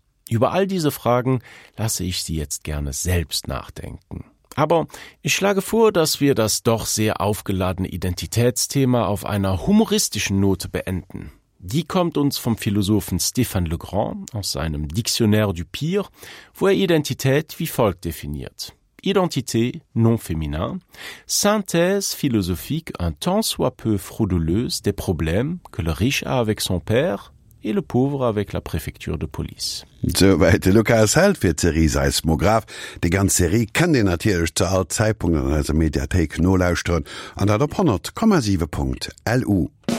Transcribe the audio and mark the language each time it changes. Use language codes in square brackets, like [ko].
[de] Über all diese Fragen lasse ich Sie jetzt gerne selbst nachdenken. Aber ich schlage vor, dass wir das doch sehr aufgeladene Identitätsthema auf einer humoristischen Note beenden. Die kommt uns vom Philosophen Stéphane Le Grand aus seinem Dictionnaire du Pire, wo er Identität wie folgt definiert. [fr] Identité non féminin, synthèse philosophique un tant soit peu frauduleuse des problèmes que le riche a avec son père et le pauvre avec la préfecture de police. [de] Soweit Lukas Held für Thierry Seismograph. Die ganze Serie kann ihr natürlich zu allen Zeitpunkten in unserer Mediathek nur lauschen und auf 100,7.lu.